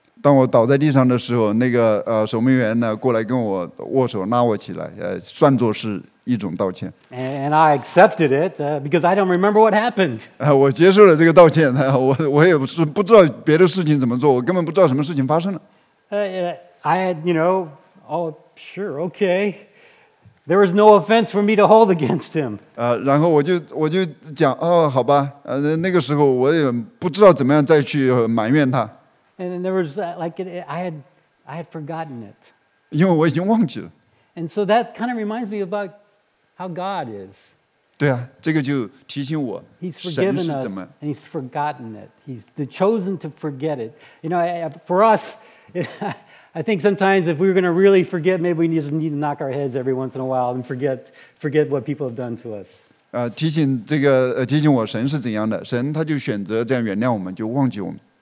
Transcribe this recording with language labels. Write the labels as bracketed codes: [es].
[zh] 当我倒在地上的时候，那个守门员呢过来跟我握手，拉我起来，算作是一种道歉。 [en] And I accepted it because I don't remember what happened. [zh] 我接受了这个道歉，我也是不知道别的事情怎么做，我根本不知道什么事情发生了。 [en] I had, you know, oh, sure, okay. There was no offense for me to hold against him. [zh] 然后我就讲，哦，好吧，那个时候我也不知道怎么样再去埋怨他。 [en] And there was like I had forgotten it. [zh] 因为我已经忘记了。 [en] And so that kind of reminds me about how God is. [zh] 对啊，这个就提醒我， [en] He's forgiven us and He's forgotten it. He's the chosen to forget it. You know, for us. I think sometimes if we're going to really forget, maybe we just need to knock our heads every once in a while and forget what people have done to us. [zh] 提醒我神是怎样的，神他就选择这样原谅我们，就忘记我们。